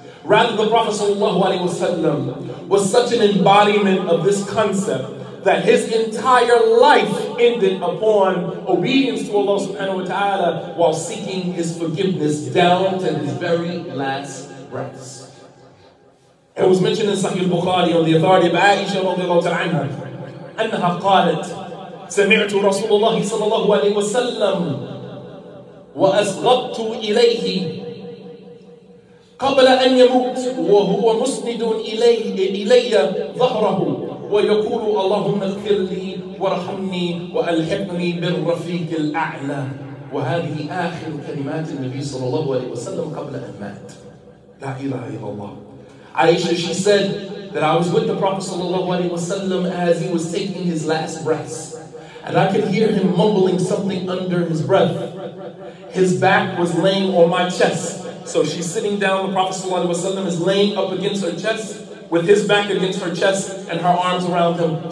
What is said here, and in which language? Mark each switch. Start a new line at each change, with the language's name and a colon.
English: Rather, the Prophet sallallahu alaihi wasallam was such an embodiment of this concept that his entire life ended upon obedience to Allah subhanahu wa ta'ala while seeking his forgiveness down to his very last breaths. It was mentioned in Sahih al-Bukhari on the authority of Aisha radiallahu ta'ala anha,
Arabic: أنها قالت سمعت رسول الله صلى الله عليه وسلم وأسغبت إليه قبل أن يموت وهو مسند إلي ظهره ويقول اللهم اغفر لي وارحمني وألحقني بالرفيق الأعلى. وهذه آخر كلمات النبي صلى الله عليه وسلم قبل أن مات. لا إله إلا الله.
English: Aisha, she said that I was with the Prophet sallallahu alaihi wasallam as he was taking his last breaths, and I could hear him mumbling something under his breath. His back was laying on my chest. So she's sitting down, the Prophet sallallahu alaihi wasallam is laying up against her chest with his back against her chest and her arms around him.